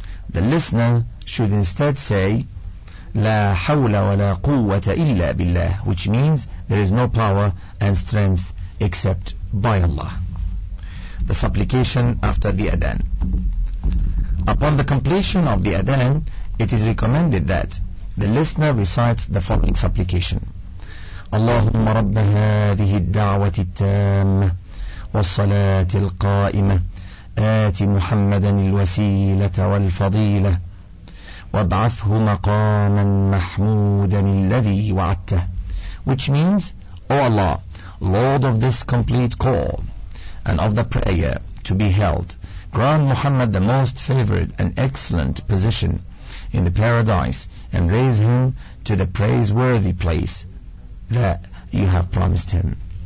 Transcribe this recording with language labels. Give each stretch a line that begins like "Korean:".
English: The listener should instead say, La hawla wa la quwwata illa billah, which means there is no power and strength except by Allah. The supplication after the Adhan. Upon the completion of the Adhan, it is recommended that the listener recites the following supplication.
Arabic: اللهم رب هذه الدعوة التامة والصلاة القائمة آت محمدا الوسيلة والفضيلة وابعثه مقاما محمودا الذي وعدته.
English: Which means, O Allah, Lord of this complete call and of the prayer to be held, grant Muhammad the most favored and excellent position in the paradise and raise him to the praiseworthy place that you have promised him.